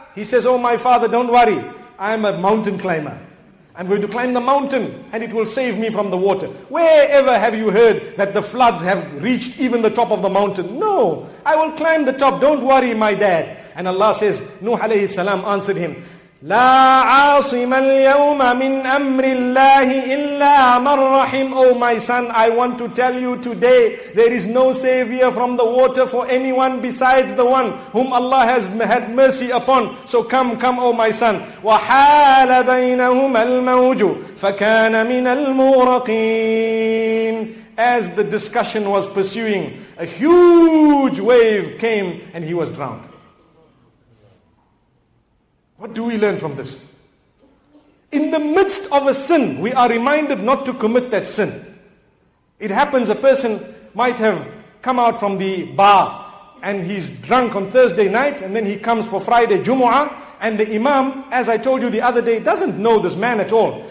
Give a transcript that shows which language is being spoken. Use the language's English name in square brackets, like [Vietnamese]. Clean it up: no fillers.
[English] He says, oh my father, don't worry. I am a mountain climber. I'm going to climb the mountain and it will save me from the water. Wherever have you heard that the floods have reached even the top of the mountain? No, I will climb the top. Don't worry, my dad. And Allah says, Nuh alayhi salam answered him, [Arabic] لا عاصم اليوم من أمر الله إلا من رحم. [English] Oh my son, I want to tell you today, there is no savior from the water for anyone besides the one whom Allah has had mercy upon. So come, oh my son. [Arabic] وحال بينهما الموج فكان من المغرقين. [English] As the discussion was pursuing, a huge wave came and he was drowned. What do we learn from this? In the midst of a sin, we are reminded not to commit that sin. It happens, a person might have come out from the bar and he's drunk on Thursday night, and then he comes for Friday, Jumu'ah, and the imam, as I told you the other day, doesn't know this man at all.